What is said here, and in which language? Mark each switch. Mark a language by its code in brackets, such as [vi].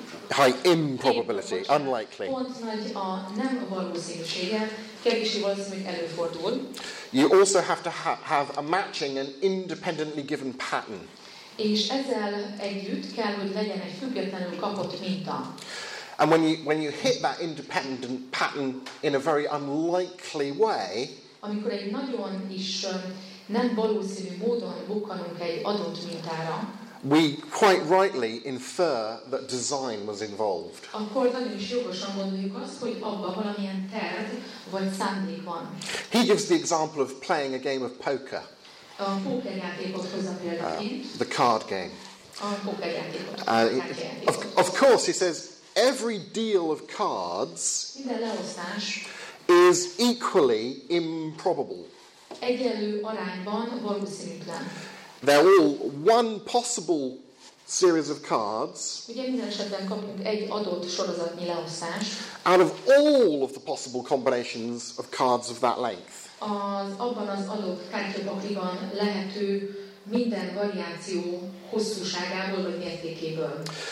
[en] high improbability, unlikely. [hu] Pont nagy a nem valószínűsége, kevésbé valószínű, hogy előfordul. [en] You also have to have a matching and independently given pattern. [hu] És ezzel együtt kell, hogy legyen egy függetlenül kapott minta. [en] And when you hit that independent pattern in a very unlikely way, [hu] amikor egy nagyon is nem valószínű módon bukkanunk egy adott mintára, [en] we quite rightly infer that design was involved. [hu] Akkor nagyon is jogosan gondoljuk azt, hogy abban valamilyen terv vagy szándék van. [en] He gives the example of playing a game of poker. [hu] A pókerjátékot hozza példaként. [en] The card game. [hu] A pókerjátékot. [en] Of course, he says, every deal of cards [hu] minden leosztás [en] is equally improbable. [hu] Egyenlő arányban valószínűtlen. [en] They're all one possible series of cards. [hu] Ugye minden esetben kapunk egy adott sorozatnyi leosztást. [en] Out of all of the possible combinations of cards of that length. [hu] Abban az adott kártyapakliban lehető minden variáció hosszúságából vagy mértékéből.